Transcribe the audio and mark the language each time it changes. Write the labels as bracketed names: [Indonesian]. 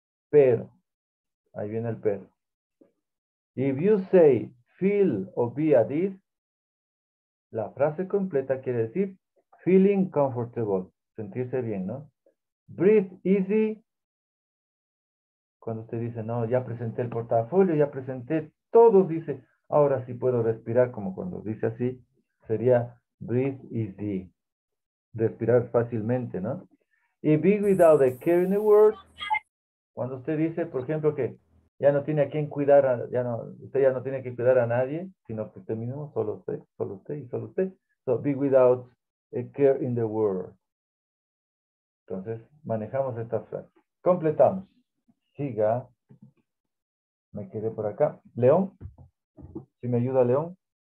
[Spanish] Pero, ahí viene el pero. [English] If you say feel or be at ease, [Spanish] la frase completa quiere decir [English] feeling comfortable, [Spanish] sentirse bien, ¿no? [English] Breathe easy. [Spanish] Cuando usted dice, no, ya presenté el portafolio, ya presenté todo, dice, ahora sí puedo respirar, como cuando dice así, sería [English] breathe easy. [Spanish] Respirar fácilmente, ¿no? [English] Y be without a care in the world. [Spanish] Cuando usted dice, por ejemplo, que ya no tiene a quien cuidar, usted ya no tiene que cuidar a nadie, sino que usted mismo, solo usted. [English] So, be without a care in the world. [Spanish] Entonces, manejamos esta frase. Completamos. Siga. Me quedé por acá. León. Si me ayuda, León.